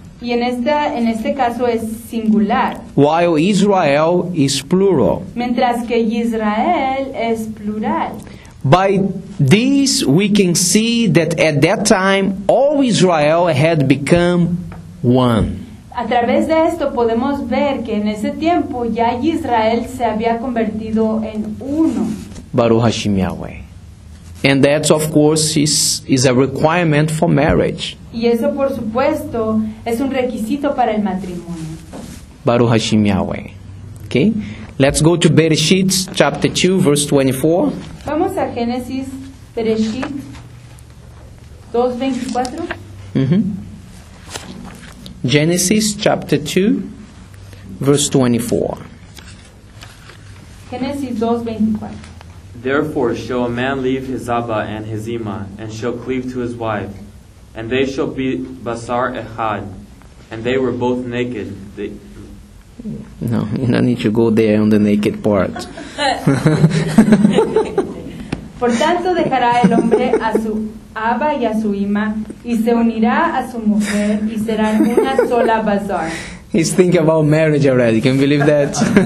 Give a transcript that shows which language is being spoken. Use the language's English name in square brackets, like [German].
[Spanish] Y en este caso es singular. [English] While Israel is plural. [Spanish] Mientras que Israel es plural. [English] By this, we can see that at that time, all Israel had become one. [Spanish] A través de esto podemos ver que en ese tiempo ya Israel se había convertido en uno. [Hebrew] Baruch Hashem Yahweh. [English] And that, of course, is a requirement for marriage. [Spanish] Y eso, por supuesto, es un requisito para el matrimonio. [Hebrew] Baruch Hashem Yahweh. [English] Okay? Let's go to Bereshit chapter 2, verse 24. [Spanish] Vamos a Génesis, Bereshit 2:24. [English] Mm-hmm. Genesis chapter 2, verse 24. [Spanish] Genesis 2:24. [English] Therefore shall a man leave his Abba and his Ima, and shall cleave to his wife, and they shall be Basar Echad, and they were both naked. No, you don't need to go there on the naked part. [Spanish] Por tanto dejará el hombre a su Abba y a su Ima, y se unirá a su mujer, y serán una sola bazar. [English] He's thinking about marriage already. Can you believe that?